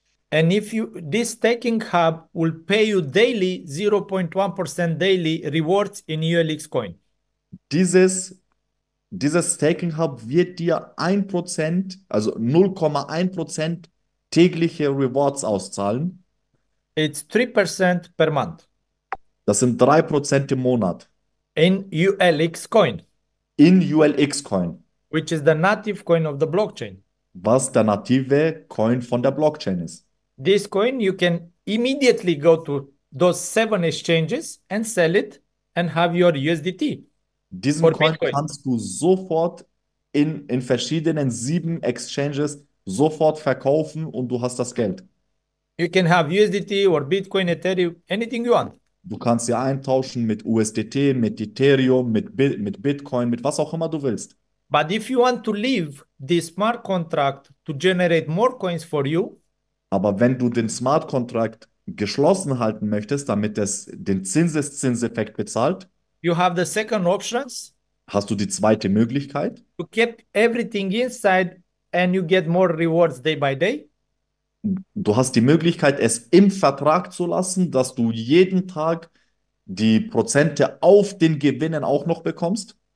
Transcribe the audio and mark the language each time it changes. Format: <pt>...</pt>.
<en>And if you this staking hub will pay you daily 0.1% daily rewards in ULX coin.</en> <de>Dieses Staking Hub wird dir 1%, also 0,1% tägliche Rewards auszahlen.</de> <en>It's 3% per month</en> <de>Das sind 3% im Monat.</de> <en>in ULX coin,</en> <de>In ULX Coin.</de> <en>which is the native coin of the blockchain.</en> <de>Was der native Coin von der Blockchain ist.</de> <en>This coin, you can immediately go to those seven exchanges and sell it and have your USDT</en> <de>Diesen</de> <en>or</en> <de>Coin</de> <en>Bitcoin.</en> <de>kannst du sofort in verschiedenen 7 Exchanges sofort verkaufen und du hast das Geld.</de> <en>You can have USDT or Bitcoin, Ethereum, anything you want.</en> <de>Du kannst sie eintauschen mit USDT, mit Ethereum, mit Bitcoin, mit was auch immer du willst.</de> <en>But if you want to leave the smart contract to generate more coins for you,</en> <de>Aber wenn du den Smart Contract geschlossen halten möchtest, damit es den Zinseszinseffekt bezahlt,</de> <en>you have the second options</en> <de>hast du die zweite Möglichkeit?</de> <en>to keep everything inside and you get more rewards day by day.</en> <de>Du hast die Möglichkeit, es im Vertrag zu lassen, dass du jeden Tag die Prozente auf den Gewinnen auch noch bekommst.</de>